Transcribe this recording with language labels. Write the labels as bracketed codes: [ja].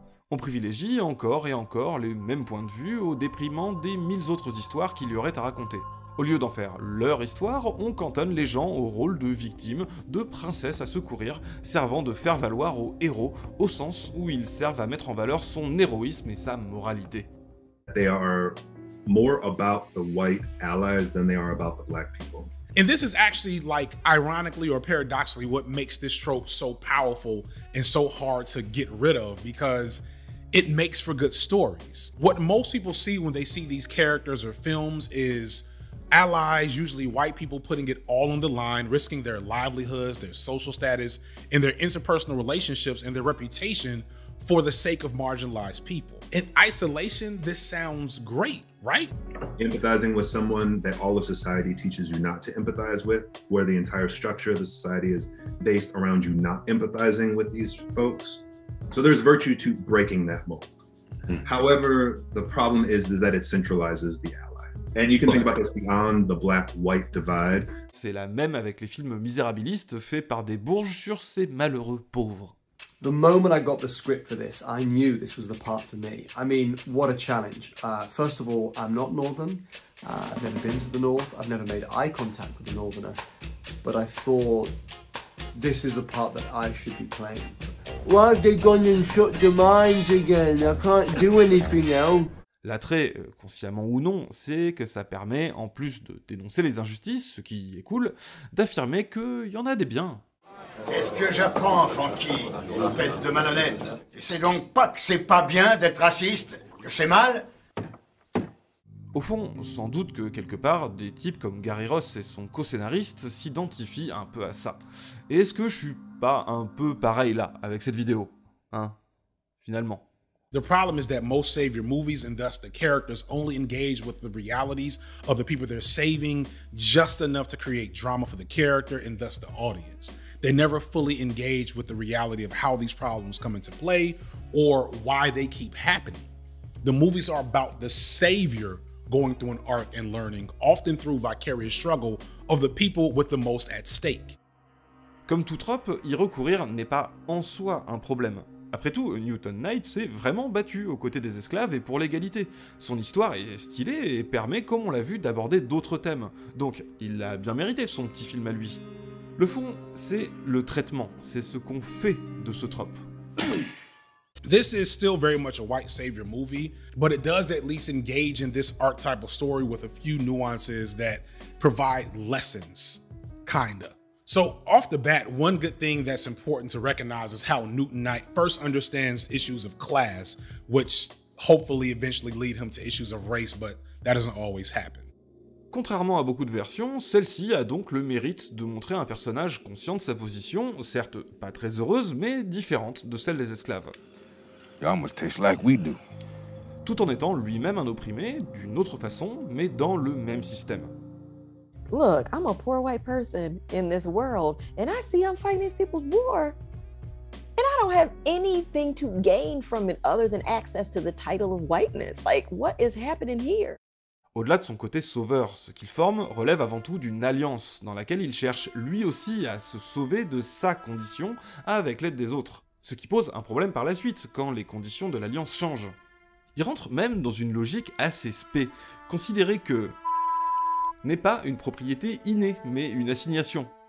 [fr] On privilégie encore et encore les mêmes points de vue au déprimant des mille autres histoires qu'il y aurait à raconter. Au lieu d'en faire leur histoire, on cantonne les gens au rôle de victimes, de princesses à secourir, servant de faire valoir au héros, au sens où ils servent à mettre en valeur son héroïsme et sa moralité. [en] They are more about the white allies than they are about the black people. And this is actually like ironically or paradoxically what makes this trope so powerful and so hard to get rid of, because it makes for good stories. What most people see when they see these characters or films is allies, usually white people, putting it all on the line, risking their livelihoods, their social status, and their interpersonal relationships and their reputation for the sake of marginalized people. In isolation, this sounds great, right? Empathizing with someone that all of society teaches you not to empathize with, where the entire structure of the society is based around you not empathizing with these folks. So there's virtue to breaking that mold. However, the problem is that it centralizes the ally. And you can think about this beyond the black-white divide. [fr] C'est la même avec les films misérabilistes faits par des bourges sur ces malheureux pauvres. [en] The moment I got the script for this, I knew this was the part for me. I mean, what a challenge. First of all, I'm not Northern. I've never been to the North. I've never made eye contact with a Northerner. But I thought, this is the part that I should be playing. Why have they gone and shut the mines again? I can't do anything now. [fr] L'attrait, consciemment ou non, c'est que ça permet, en plus de dénoncer les injustices, ce qui est cool, d'affirmer qu'il y en a des biens. Qu'est-ce que j'apprends, Franky, espèce de malhonnête? Tu sais donc pas que c'est pas bien d'être raciste? Que c'est mal? Au fond, sans doute que quelque part, des types comme Gary Ross et son co-scénariste s'identifient un peu à ça. Et est-ce que je suis pas un peu pareil là, avec cette vidéo? Hein? Finalement. [en] The problem is that most savior movies and thus the characters only engage with the realities of the people they're saving just enough to create drama for the character and thus the audience. They never fully engage with the reality of how these problems come into play or why they keep happening. The movies are about the savior going through an arc and learning, often through vicarious struggle, of the people with the most at stake. [fr] Comme tout trope, y recourir n'est pas en soi un problème. Après tout, Newton Knight s'est vraiment battu aux côtés des esclaves et pour l'égalité. Son histoire est stylée et permet, comme on l'a vu, d'aborder d'autres thèmes. Donc, il l'a bien mérité, son petit film à lui. Le fond, c'est le traitement, c'est ce qu'on fait de ce trope. [en] This is still very much a white savior movie, but it does at least engage in this archetypal story with a few nuances that provide lessons, kinda. So off the bat, one good thing that's important to recognize is how Newton Knight first understands issues of class, which hopefully eventually lead him to issues of race, but that doesn't always happen. [fr] Contrairement à beaucoup de versions, celle-ci a donc le mérite de montrer un personnage conscient de sa position, certes pas très heureuse, mais différente de celle des esclaves. [en] You almost taste like we do. [fr] Tout en étant lui-même un opprimé, d'une autre façon, mais dans le même système. [en] Look, I'm a poor white person in this world, and I see I'm fighting these people's war. And I don't have anything to gain from it other than access to the title of whiteness. Like, what is happening here? [fr] Au-delà de son côté sauveur, ce qu'il forme relève avant tout d'une alliance dans laquelle il cherche lui aussi à se sauver de sa condition avec l'aide des autres. Ce qui pose un problème par la suite, quand les conditions de l'alliance changent. Il rentre même dans une logique assez spé, considérer que n'est pas une propriété innée, mais une assignation.